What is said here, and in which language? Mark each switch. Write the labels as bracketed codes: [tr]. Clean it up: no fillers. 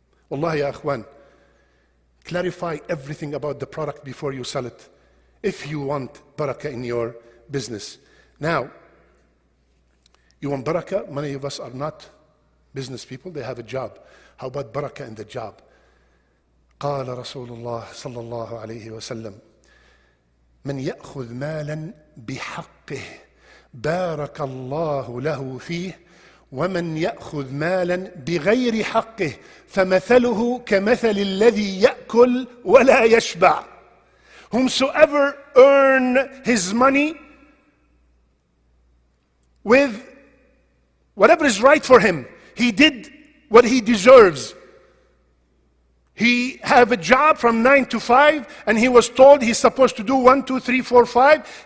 [en] Wallahi, ya akhwan, clarify everything about the product before you sell it if you want barakah in your business. Now, you want barakah? Many of us are not business people, they have a job. How about barakah in the job? [ar] قال رسول الله صلى الله عليه وسلم من يأخذ مالا بحقه بارك الله له فيه ومن يأخذ مالا بغير حقه فمثله كمثل الذي يأكل ولا يشبع. [en] Whomsoever earn his money with whatever is right for him, he did what he deserves. He have a job from 9 to 5, and he was told he's supposed to do 1, 2, 3, 4, 5.